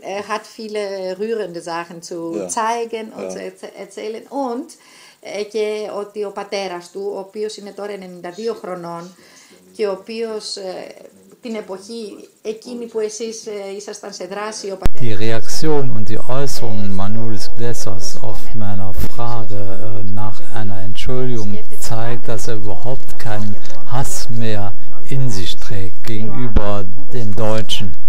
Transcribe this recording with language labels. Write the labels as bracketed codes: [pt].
[de] Hat viele rührende Sachen zu zeigen und zu erzählen. Und [el] και ότι ο πατέρας του, ο οποίος είναι τώρα 92 χρονών και ο οποίος την εποχή εκείνη που εσείς ήσασταν σε δράση, ο πατέρας. [de] Die Reaktion und die Äußerung Manuels Glessers auf meine Frage nach einer Entschuldigung zeigt, dass er überhaupt keinen Hass mehr in sich trägt gegenüber den Deutschen.